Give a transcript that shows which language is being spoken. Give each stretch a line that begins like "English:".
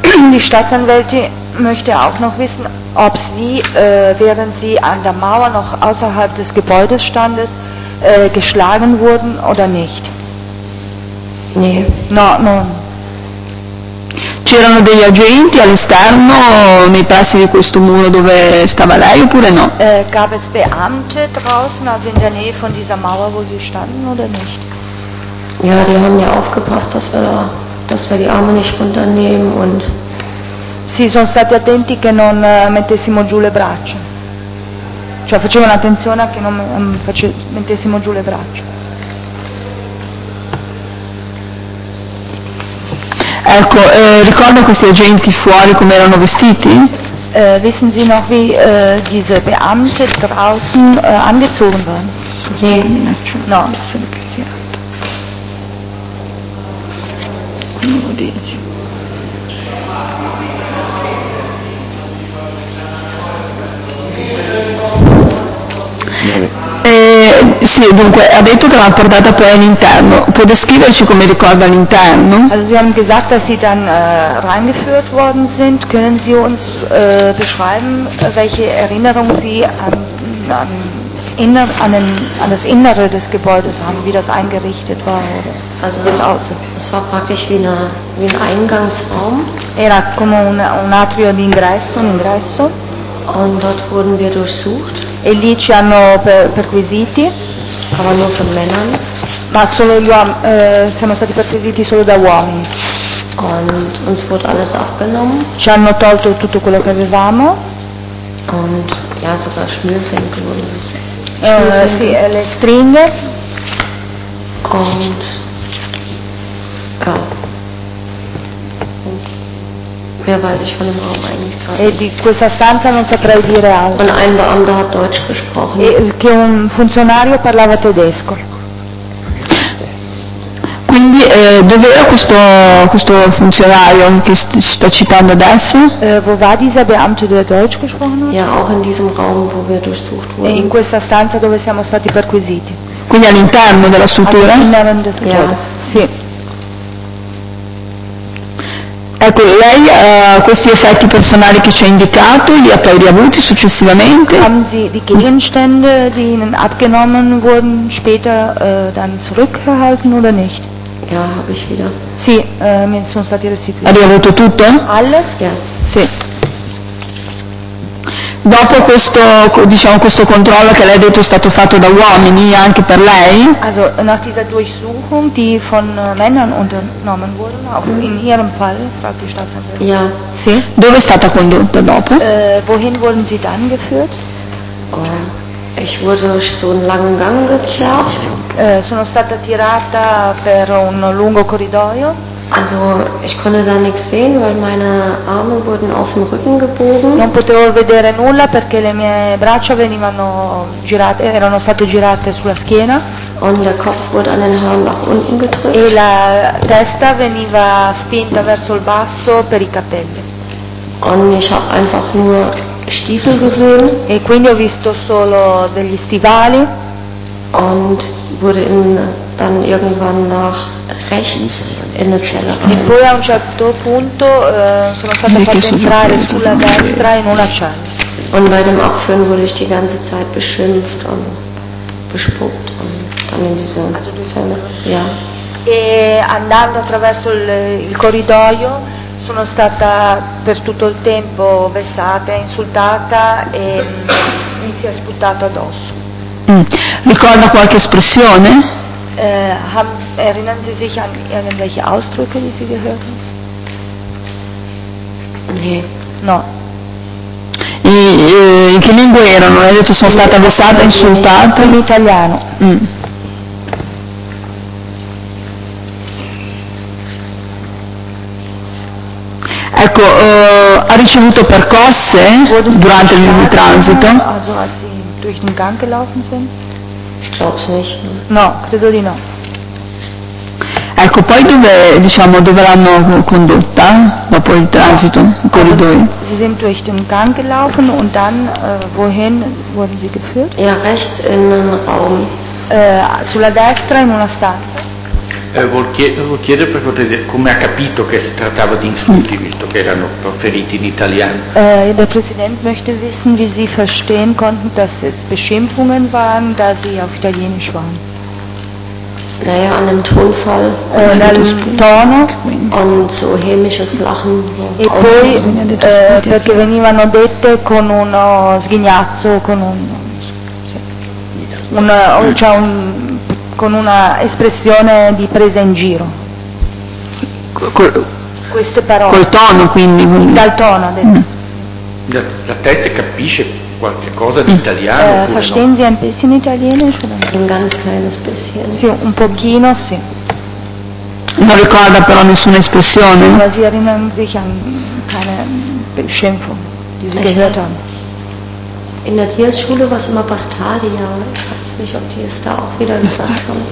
German: Die Staatsanwältin möchte auch noch wissen, ob Sie, während Sie an der Mauer noch außerhalb des Gebäudes standen, geschlagen wurden oder nicht. Nee.
Italian: No, no. C'erano degli agenti all'esterno, nei pressi di questo muro dove stava lei oppure no?
German: Gab es Beamte draußen, also in der Nähe von dieser Mauer, wo Sie standen oder nicht? Ja, die haben ja aufgepasst, dass wir die Arme nicht runternehmen und...
Italian: Sì, sono stati attenti che non mettessimo giù le braccia. Cioè facevano attenzione a che non mettessimo giù le braccia. Ecco, ricorda questi agenti fuori come erano vestiti?
German: Wissen Sie noch, wie diese Beamte draußen angezogen waren?
Italian: No, sono più chiaro. E Sì, dunque, ha detto che l'ha portata poi all'interno. Può descriverci come ricorda l'interno?
German: Also, Sie haben gesagt, dass Sie dann reingeführt worden sind. Können Sie uns beschreiben, welche Erinnerung Sie an das Innere des Gebäudes haben, wie das eingerichtet war? Oder? Also, es war praktisch wie ein Eingangsraum.
Italian: Era come un atrio di ingresso, un ingresso.
German: Und dort wurden wir durchsucht.
Italian: E lì ci hanno perquisiti.
German: Aber nur von Männern.
Italian: Ma solo siamo stati perquisiti solo da uomini.
German: Und uns wurde alles abgenommen.
Italian: Ci hanno tolto tutto quello che avevamo.
German: Und ja, sogar Schnürsenkel wurden sie sehen.
Italian: Sì, le stringhe.
German: Und ja. Mehr weiß ich von dem Raum eigentlich gar nicht.
Italian: E di questa stanza non saprei dire altro.
German: Und ein Beamter hat Deutsch gesprochen.
Italian: E che un funzionario parlava tedesco. Quindi dove era questo funzionario che sta citando adesso?
German: Wo war dieser Beamte, der Deutsch gesprochen hat? Ja, auch in diesem Raum, wo wir durchsucht wurden.
Italian: In questa stanza dove siamo stati perquisiti. Quindi all'interno della struttura? All'interno del Gebäude. Ja. Sì. Ecco, lei questi effetti personali che ci ha indicato, li ha poi riavuti successivamente?
German: Haben Sie die Gegenstände, die Ihnen abgenommen wurden, später dann zurückgehalten oder nicht? Ja, habe ich wieder.
Italian: Sì, mi sono stati restituiti. Ha riavuto tutto?
German: Alles? Ja.
Italian: Sì. Dopo questo, diciamo, questo controllo che lei ha detto è stato fatto da uomini anche per lei?
German: Also nach dieser Durchsuchung, die von Männern unternommen wurde, auch in ihrem Fall, fragt die Staatsanwältin. Ja.
Italian: Sì. Dove è stata condotta dopo?
German: Wohin wurden Sie dann geführt? Oh, ich wurde durch so einen langen Gang gezerrt.
Italian: Sono stata tirata per un lungo corridoio.
German: Also ich konnte da nichts sehen, weil meine Arme wurden auf den Rücken gebogen.
Italian: Non potevo vedere nulla perché le mie braccia venivano girate, erano state girate sulla schiena.
German: Und der Kopf wurde an den Haaren nach unten gedrückt.
Italian: E la testa veniva spinta verso il basso per i capelli.
German: Und ich habe einfach nur Stiefel gesehen.
Italian: E quindi ho visto solo degli stivali.
German: Und wurde dann irgendwann nach rechts in eine Zelle rein.
Italian: E poi a un certo punto sono stata fatta entrare sulla destra in una cella.
German: Und bei dem Abführen wurde ich die ganze Zeit beschimpft und bespuckt und dann in diese Zelle. Ja.
Italian: E andando attraverso il corridoio sono stata per tutto il tempo vessata, insultata e mi si è sputato addosso. Ricorda qualche espressione?
German: Erinnern Sie sich an irgendwelche Ausdrücke, die Sie gehört haben? Nee.
Italian: No. In che lingua erano? Hai detto sono stata vessata, insultata? In italiano. Ecco, ha ricevuto percosse durante il transito?
German: Durch den Gang gelaufen sind? Ich glaube es nicht.
Italian: No, credo di no. Ecco, poi dove l'hanno condotta dopo il transito, i corridoi?
German: Sie sind durch den Gang gelaufen und dann wohin wurden sie geführt? Ja, rechts in den Raum.
Italian: Sulla destra in una stanza. Vuol chiedere per cortesia come ha capito che si trattava di insulti visto che erano proferiti in italiano.
German: Der Präsident möchte wissen, wie Sie verstehen konnten, dass es Beschimpfungen waren, da Sie auf Italienisch waren. Naja, an dem Tonfall.
Italian: Tono.
German: Und so hämisches Lachen. So
Italian: e poi, perché venivano dette con uno sghignazzo, con una espressione di presa in giro. Queste parole. Col tono, quindi. Dal tono, ha detto. La testa capisce qualche cosa di italiano?
German: Verstehen Sie ein bisschen italienisch? Un ganz kleines bisschen.
Italian: Sì, un pochino, sì. Non ricorda però nessuna espressione?
German: Ma si erinnern sich an keine Beschimpfung, die Sie gehört haben. In der Diaz-Schule war es immer Bastardia. Ich weiß nicht, ob die es da auch wieder gesagt haben.